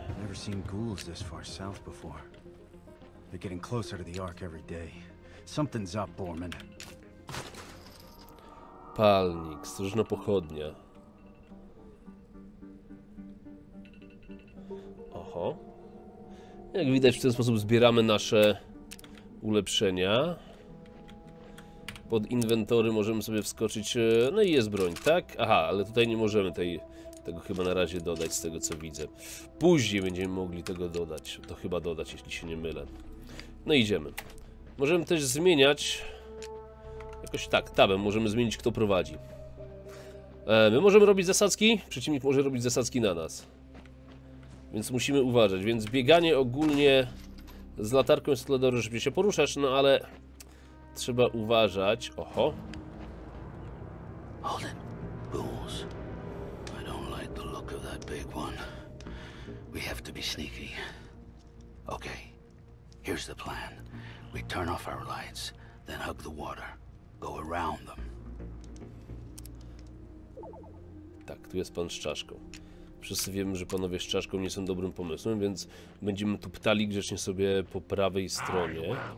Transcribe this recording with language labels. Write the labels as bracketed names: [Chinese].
[English] Never seen ghouls this far south before. They're getting closer to the Ark every day. Something's up, Borman. [Polish] Palnik, strzyżno pochodnia. Jak widać, w ten sposób zbieramy nasze ulepszenia. Pod inwentory możemy sobie wskoczyć. No i jest broń, tak? Aha, ale tutaj nie możemy tego chyba na razie dodać, z tego co widzę. Później będziemy mogli tego dodać. To chyba dodać, jeśli się nie mylę. No idziemy. Możemy też zmieniać. Jakoś tak, tabem możemy zmienić, kto prowadzi. My możemy robić zasadzki, przeciwnik może robić zasadzki na nas. Więc musimy uważać. Więc bieganie ogólnie z latarką jest tyle dobre, żeby się poruszać, no ale trzeba uważać. Oho. [English] Hold it, fools. I don't like the look of that big one. We have to be sneaky. Okay. Here's the plan. We turn off our lights, then hug the water. Go around them. [Polish] Tak, tu jest pan z czaszką. Wszyscy wiemy, że panowie z czaszką nie są dobrym pomysłem, więc będziemy tu ptali grzecznie sobie po prawej stronie.